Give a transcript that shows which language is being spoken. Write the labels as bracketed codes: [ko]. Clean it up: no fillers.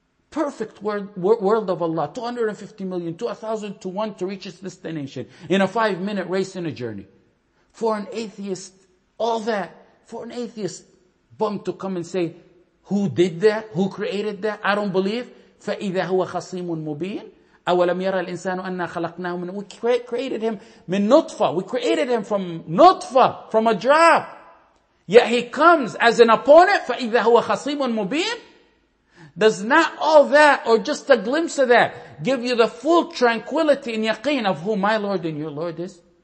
[en] Perfect world of Allah. 250 million to 1,000 to one to reach its destination in a 5-minute race in a journey. For an atheist, all that, for an atheist bum to come and say, who did that? Who created that? I don't believe. [ar] فَإِذَا هُوَ خَصِيمٌ مُبِينٌ أَوَلَمْ يَرَى الْإِنسَانُ أَنَّا خَلَقْنَاهُ مِنْ. [en] We created him [ar] مِنْ نُطْفَةٍ. [en] We created him from نُطْفَة, from a drop. Yet he comes as an opponent. [ar] فَإِذَا هُوَ خَصِيمٌ مُبِينٌ. [en] Does not all that or just a glimpse of that give you the full tranquility and yaqeen of who my Lord and your Lord is?